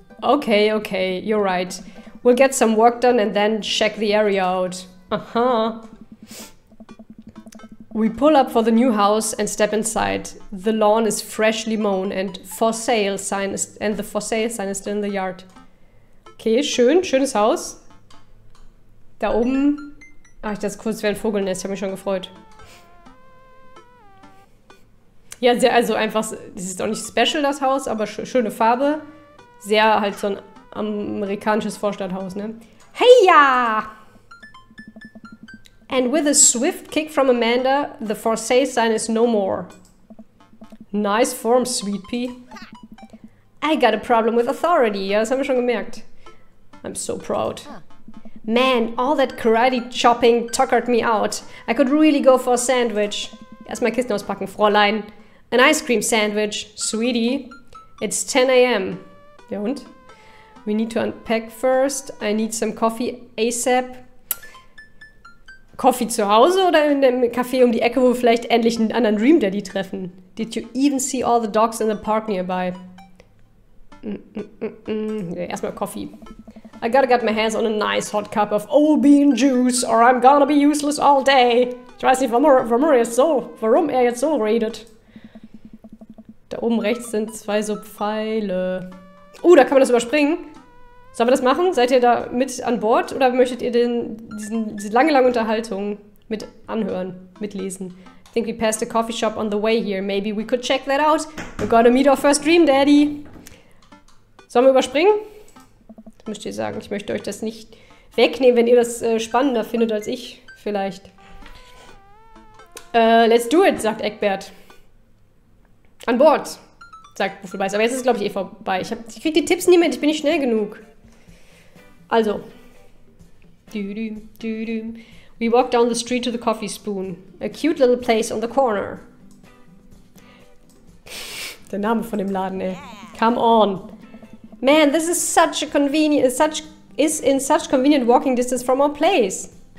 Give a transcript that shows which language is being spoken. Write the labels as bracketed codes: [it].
[en] Okay, okay, you're right. We'll get some work done and then check the area out. Uh-huh. We pull up for the new house and step inside. The lawn is freshly mown and for sale sign is, and the for sale sign is still in the yard. [de] Okay, schön, schönes Haus. Da oben... Ach, das ist kurz wie ein Vogelnest, ich habe mich schon gefreut. Ja, sehr, also einfach, das ist auch nicht special, das Haus, aber schöne Farbe. Sehr halt so ein amerikanisches Vorstadthaus, ne? Heya! [en] And with a swift kick from Amanda, the for sale sign is no more. Nice form, sweet pea. I got a problem with authority, [de] ja, das haben wir schon gemerkt. [en] I'm so proud. Man, all that karate chopping tuckered me out. I could really go for a sandwich. [de] Erstmal Kisten auspacken, Fräulein. [en] An ice cream sandwich, sweetie. It's 10 a.m. [de] Ja und? [en] We need to unpack first. I need some coffee ASAP. [de] Coffee zu Hause oder in dem Café um die Ecke, wo wir vielleicht endlich einen anderen Dream Daddy treffen? [en] Did you even see all the dogs in the park nearby? [de] Ja, erstmal Coffee. [en] I gotta get my hands on a nice hot cup of old bean juice or I'm gonna be useless all day. [de] Ich weiß nicht, warum er jetzt so redet. Da oben rechts sind zwei so Pfeile. Da kann man das überspringen. Sollen wir das machen? Seid ihr da mit an Bord? Oder möchtet ihr diese lange, lange Unterhaltung mit anhören, mitlesen? [en] I think we passed a coffee shop on the way here. Maybe we could check that out. We're gonna meet our first dream daddy. [de] Sollen wir überspringen? Das müsst ihr sagen. Ich möchte euch das nicht wegnehmen, wenn ihr das spannender findet als ich vielleicht. [en] Let's do it, [de] sagt Egbert. An Bord, sagt Buffelbeiß. Aber jetzt ist es, glaube ich, eh vorbei. Ich kriege die Tipps nie mit, ich bin nicht schnell genug. Also. [en] We walk down the street to the coffee spoon. A cute little place on the corner. [de] Der Name von dem Laden, ey. [en] Come on. Man, this is such a convenient... is in such convenient walking distance from our place.